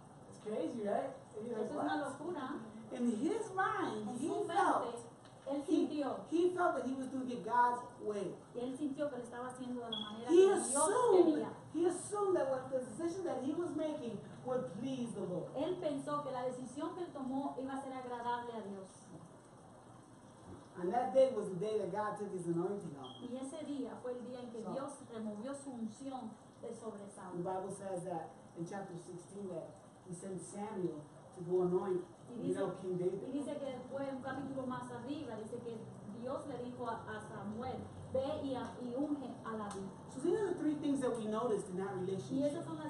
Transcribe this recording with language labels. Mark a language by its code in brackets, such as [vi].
[en] It's crazy, right? [es] Eso es una locura. [en] In his mind, he felt that he was doing it God's way. He assumed that what the decision that he was making would please the Lord. [es] Él pensó que la decisión que él tomó iba a ser agradable a Dios. [en] And that day was the day that God took his anointing off. [es] Y ese día fue el día en que Dios removió su unción de sobre Saul. [en] The Bible says that in chapter 16 that he sent Samuel to go anoint. So these are the three things that we noticed in that relationship.